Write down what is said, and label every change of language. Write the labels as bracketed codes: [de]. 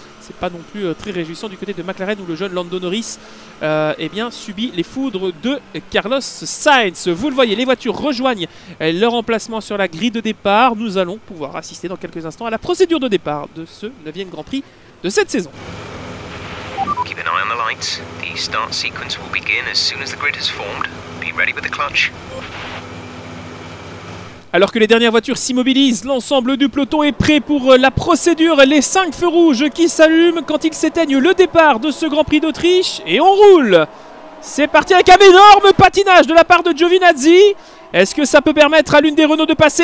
[fr] C'est pas non plus très réjouissant du côté de McLaren où le jeune Lando Norris subit les foudres de Carlos Sainz. Vous le voyez, les voitures rejoignent leur emplacement sur la grille de départ. Nous allons pouvoir assister dans quelques instants à la procédure de départ de ce 9e Grand Prix de cette saison. [en] Keep an eye on the lights. The start sequence will begin as soon as the grid is formed. Be ready with the clutch. [fr] Alors que les dernières voitures s'immobilisent, l'ensemble du peloton est prêt pour la procédure. Les 5 feux rouges qui s'allument quand ils s'éteignent, le départ de ce Grand Prix d'Autriche. Et on roule. C'est parti avec un énorme patinage de la part de Giovinazzi. Est-ce que ça peut permettre à l'une des Renault de passer?